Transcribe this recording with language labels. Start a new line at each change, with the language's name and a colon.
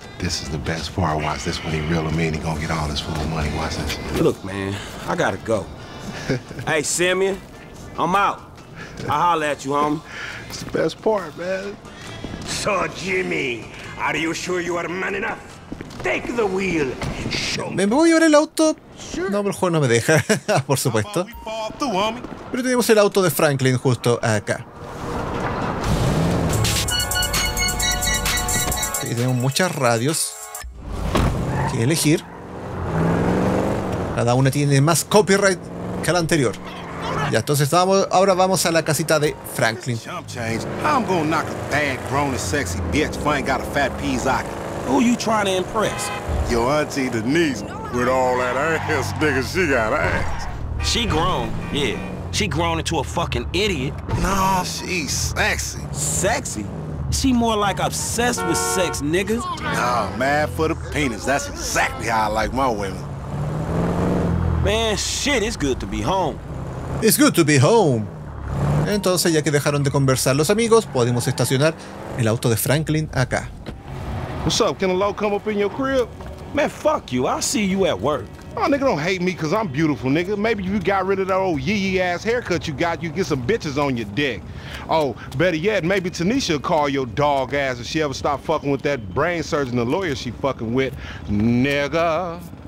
English: This is the best part. Watch this. When he real or mean, he gonna get all his full money. Watch this. Look, man, I gotta go. Hey, Simeon, I'm out. I'll holler at you, homie. It's the best part, man. So, Jimmy, are you sure you are man enough? Take the wheel. Show me.
Spanish: ¿Me voy a ver el auto? Sure. No, pero el juego no me deja, por supuesto. Pero tenemos el auto de Franklin justo acá. Y tenemos muchas radios que elegir. Cada una tiene más copyright que la anterior. Ya, entonces vamos, ahora vamos a la casita de Franklin.
English: I'm gonna knock a bad, grown and sexy bitch. If I ain't got a fat piece, I can. Who you trying to impress? Your auntie Denise with all that ass, nigga. She got ass. She grown, yeah. She grown into a fucking idiot. No, she's sexy. Sexy? She more like obsessed with sex, nigga. Nah, mad for the penis. That's exactly how I like my women. Man, shit, it's good to be home. It's good to be home.
Spanish: Entonces, ya que dejaron de conversar los amigos, podemos estacionar el auto de Franklin acá.
English: What's up? Can a low come up in your crib? Man, fuck you. I'll see you at work. Oh, nigga, don't hate me because I'm beautiful, nigga. Maybe if you got rid of that old yee-yee-ass haircut you got, you get some bitches on your dick. Oh, better yet, maybe Tanisha will call your dog ass if she ever stop fucking with that brain surgeon, the lawyer she fucking with, nigga.